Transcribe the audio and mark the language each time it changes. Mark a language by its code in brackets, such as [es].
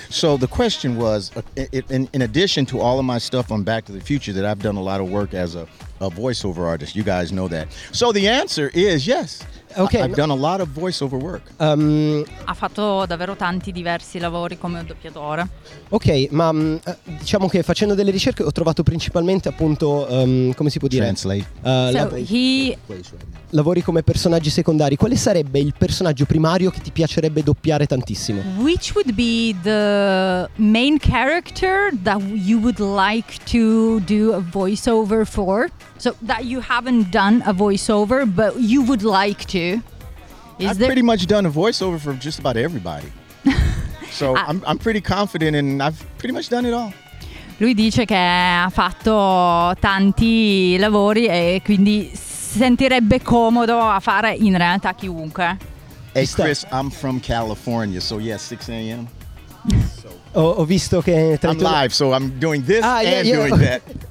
[en] So the question was, in addition to all of my stuff on Back to the Future, that I've done a lot of work as a voiceover artist. You guys know that. So the answer is yes. Okay. I've done a lot of voiceover work. [it] Ha fatto davvero tanti diversi lavori come doppiatore. Ok, ma diciamo che facendo delle ricerche ho trovato principalmente appunto come si può dire? [en] Translate. [it] Lavori come personaggi secondari. Quale sarebbe il personaggio primario che ti piacerebbe doppiare tantissimo? [en] Which would be the main character that you would like to do a voiceover for? So that you haven't done a voiceover, but you would like to. I've pretty much done a voiceover for just about everybody. So I'm pretty confident and I've pretty much done it all. [it] Lui dice che ha fatto tanti lavori e quindi si sentirebbe comodo a fare in realtà chiunque. [en] Hey Chris, I'm from California, so yeah, 6 a.m. [it] Ho visto che... [en] I'm live, so I'm doing this doing that.